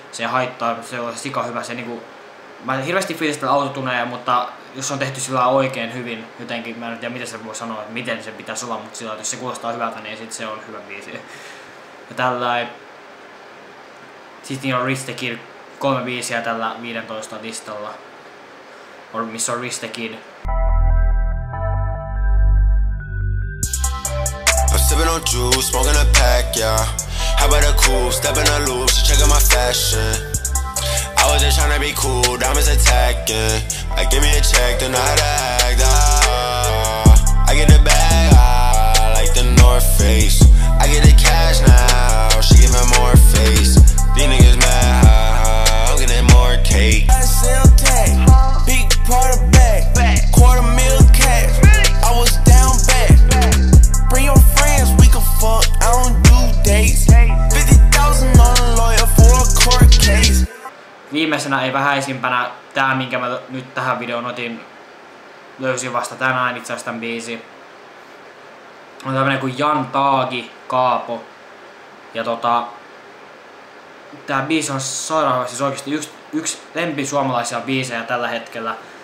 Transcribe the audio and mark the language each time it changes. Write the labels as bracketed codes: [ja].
[fi] Se haittaa, se on sika hyvä, se niinku, mä hirveesti fiilistellä autotuneja, mutta jos se on tehty sillä oikein hyvin, jotenkin, mä en tiedä miten se voi sanoa, että miten se pitäisi olla, mutta sillä, jos se kuulostaa hyvältä, niin sit se on hyvä biisi. Ja tälläin, sit niin on Rich the Kid, 3 biisiä tällä 15 listalla, missä on Rich the Kid. [en] Sippin' on juice, smoking a pack, yeah. How about a cool, step in a loop, she checkin' my fashion. I was just tryna be cool, diamonds attacking. Like, give me a check, then I had to act, ah. I get the bag, ah, like the North Face. I get the cash now, she givin' more face. These niggas mad, ah, I'm gettin' more cake. I sell cake, big part of bag, quarter mil cash. I was down bad. Bring your friends, we can fuck, I don't do dates. 50,000 on a lawyer for a court case. [fi] Viimeisenä ei vähäisimpänä tää, minkä mä nyt tähän videoon otin, löysin vasta tänään itse asiassa tän biisi. On tämmönen kuin Jan Taagi, Kaapo. Ja tää biisi on sairaan, siis oikeesti yksi lempi suomalaisia biisejä tällä hetkellä.